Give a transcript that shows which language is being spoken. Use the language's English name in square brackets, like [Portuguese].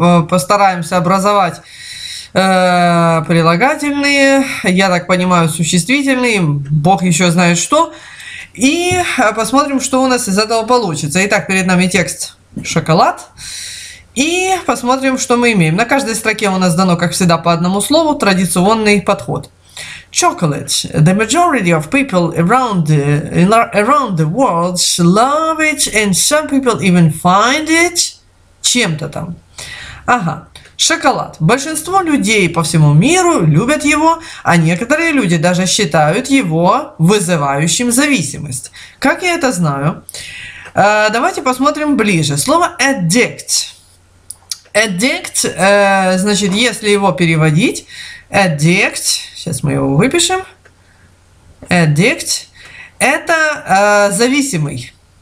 [Russian] Постараемся образовать прилагательные, я так понимаю, существительные, бог еще знает что. И посмотрим, что у нас из этого получится. Итак, перед нами текст «Шоколад». И посмотрим, что мы имеем. На каждой строке у нас дано, как всегда, по одному слову, традиционный подход. [English] Chocolate. The majority of people around the world love it, and some people even find it [Russian] чем-то там. Ага. Шоколад. Большинство людей по всему миру любят его, а некоторые люди даже считают его вызывающим зависимость. Как я это знаю? Давайте посмотрим ближе. Слово addict. Addict, значит, если его переводить, addict, сейчас мы его выпишем, addict, это зависимый.